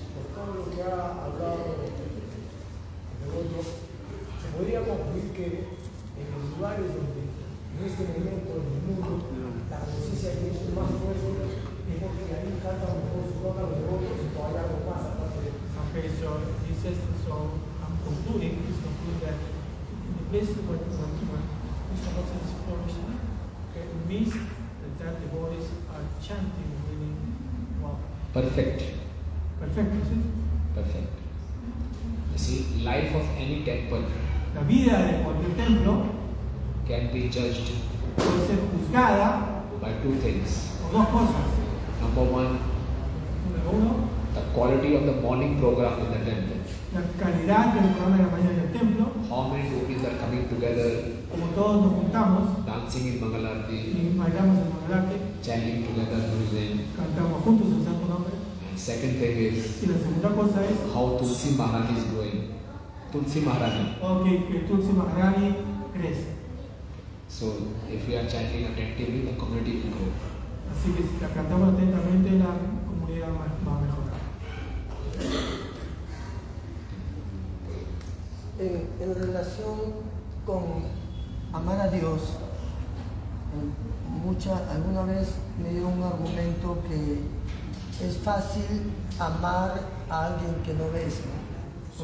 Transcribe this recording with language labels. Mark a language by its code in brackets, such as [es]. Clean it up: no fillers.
[es] Por todo lo que ha hablado el devoto, se podría concluir que en los lugares donde en este momento en el mundo la conciencia de Cristo es más fuerte es porque ahí canta mejor su nota los devotos y todavía algo más aparte de eso. [en] Okay, so this is so I'm concluding to conclude that the place where you want to work is not as important. It means that the devotees are chanting, meaning what? Perfect. Perfect, is it? Perfect. You see, life of any temple. [es] La vida de cualquier templo. [en] Can be judged. [es] Puede ser juzgada. [en] By two things. [es] Por dos cosas. [en] Number one. [es] Número uno. [en] The quality of the morning program in the temple. [es] La calidad del programa de la mañana del templo. [en] How many devotees are coming together? [es] Como todos nos juntamos. [en] Dancing in Mangalarti. [es] Bailamos en Mangalarti. [en] Chanting together to his name. [es] Cantamos juntos el santo nombre. [en] And second thing is. [es] Y la segunda cosa es. [en] How Tulsi Maharaj is growing. Tulsi Maharaj. [es] Okay, que Tulsi Maharaj crece. [en] So if we are chanting attentively, the community will grow. [es] Así que si la cantamos atentamente, la comunidad va a mejorar. relación con amar a Dios, alguna vez me dio un argumento que es fácil amar a alguien que no ves, ¿no?